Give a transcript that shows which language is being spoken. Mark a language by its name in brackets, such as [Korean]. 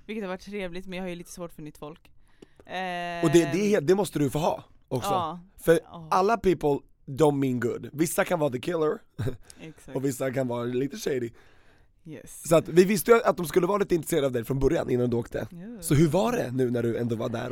[Swedish] Vilket har varit trevligt, men jag har ju lite svårt för nytt folk. Och det måste du få ha också. Ja. För alla [English] people don't mean good. [Swedish] Vissa kan vara [English] the killer. [Swedish] Exakt. Och vissa kan vara lite shady. [English] Yes. [Swedish] Så att vi visste att de skulle vara lite intresserade av dig från början innan du åkte. Så hur var det nu när du ändå var där?